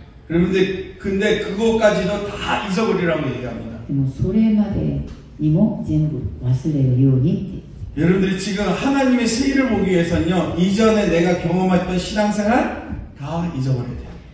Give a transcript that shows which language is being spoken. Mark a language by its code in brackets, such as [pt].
[ko] 그런데 그것까지도 다 잊어버리라고 얘기합니다. [ja] でもそれまでにも全部忘れるようにって。 [ko] 여러분들이 지금 하나님의 세일을 보기 위해서는요 이전에 내가 경험했던 신앙생활 다 잊어버려야 돼요.